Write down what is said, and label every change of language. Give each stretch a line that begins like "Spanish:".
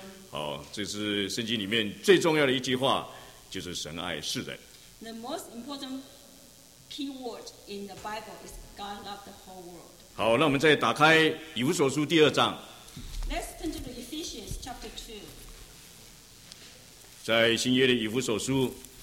Chinese: 好，这是圣经里面最重要的一句话，就是神爱世人。
English: The most important key word in the Bible is God loved the whole world.
Chinese: 好，那我们再打开以弗所书第二章。
English: Let's turn to Ephesians chapter 2.
Chinese: 在新约的以弗所书。